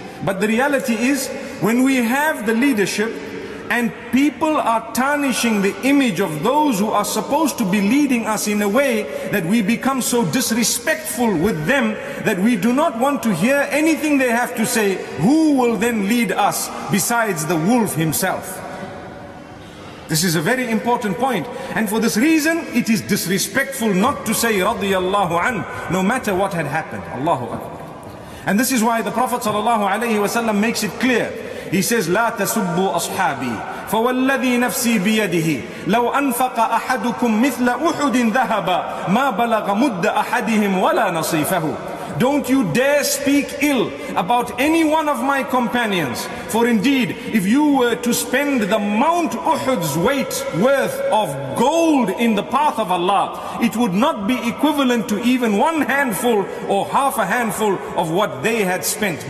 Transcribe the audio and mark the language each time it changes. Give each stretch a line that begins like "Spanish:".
English: But the reality is, when we have the leadership and people are tarnishing the image of those who are supposed to be leading us in a way that we become so disrespectful with them that we do not want to hear anything they have to say, who will then lead us besides the wolf himself? This is a very important point. And for this reason, it is disrespectful not to say radiyallahu anhu, no matter what had happened. Allahu Akbar. And this is why the Prophet sallallahu alayhi wa sallam makes it clear. He says,
Arabic: لا تسبوا أصحابي فوالذي نفسي بيده لو أنفق أحدكم مثل أحد ذهبا ما بلغ مد أحدهم ولا نصيفه.
English: Don't you dare speak ill about any one of my companions. For indeed, if you were to spend the Mount Uhud's weight worth of gold in the path of Allah, it would not be equivalent to even one handful or half a handful of what they had spent.